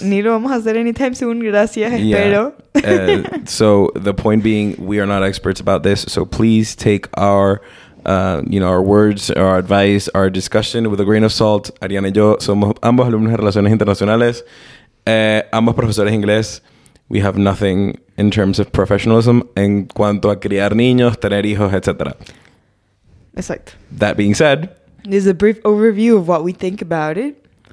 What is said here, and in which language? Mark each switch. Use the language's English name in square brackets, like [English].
[Spanish] Papás, ni lo vamos a hacer [English] anytime soon, [Spanish] gracias, espero. [English] So the point being, we are not experts about this, so please take our words, our advice, our discussion with a grain of salt. [Spanish] Ariana y yo somos ambos alumnos de relaciones internacionales, ambos profesores inglés. [English] We have nothing in terms of professionalism [Spanish] en cuanto a criar niños, tener hijos, [English] etc. [Spanish] Exacto. [English] That being said, this is a brief overview of what we think about it.